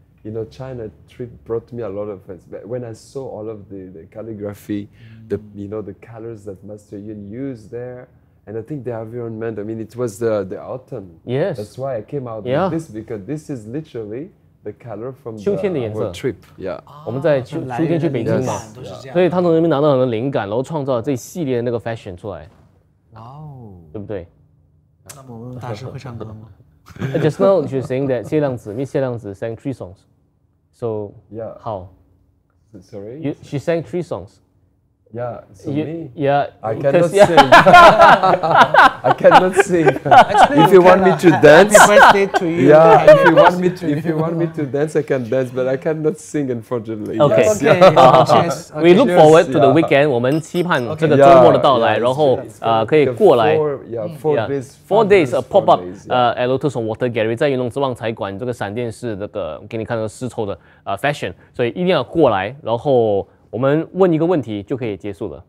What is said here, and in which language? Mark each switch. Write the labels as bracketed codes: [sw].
[en] You know, China trip brought me a lot of fans. But when I saw all of the calligraphy, the colors that Master Yun used there, and I think the environment, I mean, it was the autumn. Yes. That's why I came out with this, because this is literally the color from our trip. Yeah. [zh] 我们在秋天去北京嘛，所以他从那边拿到很多灵感，然后创造这一系列的那个 fashion 出来。哇哦。对不对？那么我们大师会唱歌吗？ [en] Just now, you're saying that Xie Liangzi, Miss Xie Liangzi sang three songs. So, yeah. How? Sorry? She sang three songs. Yeah, so me? Yeah. I cannot sing. I cannot sing. If you want me to dance. Happy birthday to you. Yeah, if you want me to dance, I can dance, but I cannot sing, unfortunately. Okay. Yes, okay. We look forward to the weekend. [zh] 我们期盼这个周末的到来，然后可以过来。 [en] Four days, a pop-up at Lotus on Water Gallery, [zh] 在云龙之望彩馆这个闪电式那个给你看到丝绸的fashion. 所以一定要过来，然后我们问一个问题就可以结束了，